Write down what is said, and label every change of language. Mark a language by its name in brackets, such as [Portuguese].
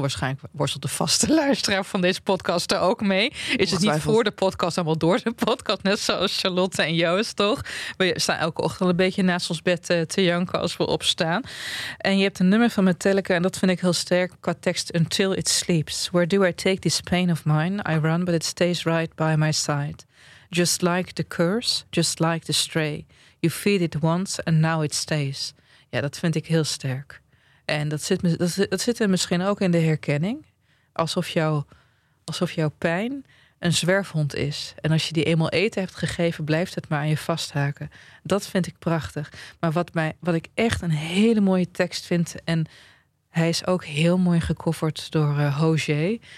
[Dutch] Waarschijnlijk worstelt de vaste luisteraar van deze podcast er ook mee. Is het niet voor de podcast, dan wel door de podcast. Net zoals Charlotte en Joost, toch? We staan elke ochtend een beetje naast ons bed te janken als we opstaan. En je hebt een nummer van Metallica. En dat vind ik heel sterk qua tekst. [English] Until it sleeps. Where do I take this pain of mine? I run, but it's stays right by my side. Just like the curse, just like the stray. You feed it once and now it stays. [Dutch] Ja, dat vind ik heel sterk. En dat zit er misschien ook in de herkenning. Alsof jouw pijn een zwerfhond is. En als je die eenmaal eten hebt gegeven, blijft het maar aan je vasthaken. Dat vind ik prachtig. Maar wat ik echt een hele mooie tekst vind, en hij is ook heel mooi gecoverd door Hozier.